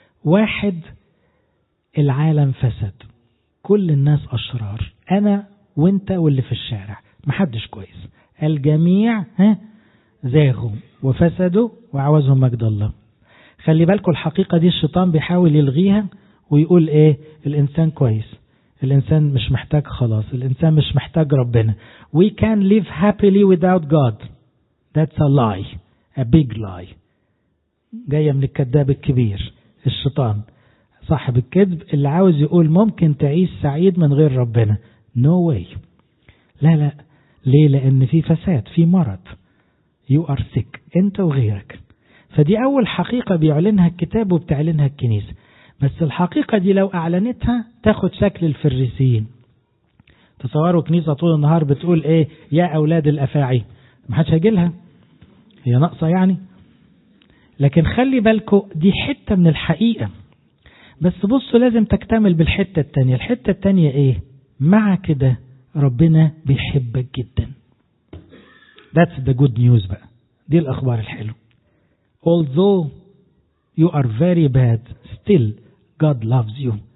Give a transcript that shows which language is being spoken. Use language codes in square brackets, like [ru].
[ar] واحد، العالم فسد، كل الناس أشرار، أنا وإنت واللي في الشارع محدش كويس، الجميع زاغوا وفسدوا وعوزهم مجد الله. خلي بالكوا الحقيقة دي الشيطان بيحاول يلغيها ويقول إيه، الإنسان كويس، الإنسان مش محتاج خلاص، الإنسان مش محتاج ربنا. [en] We can live happily without God. That's a lie. A big lie. [ar] جاية من الكذاب الكبير، الشيطان صاحب الكذب اللي عاوز يقول ممكن تعيش سعيد من غير ربنا. [en] No way. [ar] لا لا. ليه؟ لأن في فساد، في مرض. [en] You are sick. [ar] أنت وغيرك. فدي أول حقيقة بيعلنها الكتاب وبتعلنها الكنيسة. بس الحقيقة دي لو أعلنتها تاخد شكل الفريسيين. تصوروا كنيسة طول النهار بتقول إيه، يا أولاد الأفاعي، محدش هيجيلها، هي ناقصة يعني. لكن خلي بالكو دي حتة من الحقيقة، بس بصوا لازم تكتمل بالحتة التانية. الحتة التانية إيه؟ مع كده ربنا بيحبك جدا. [en] That's the good news [ar] بقى، دي الأخبار الحلو. [en] Although you are very bad, still God loves you.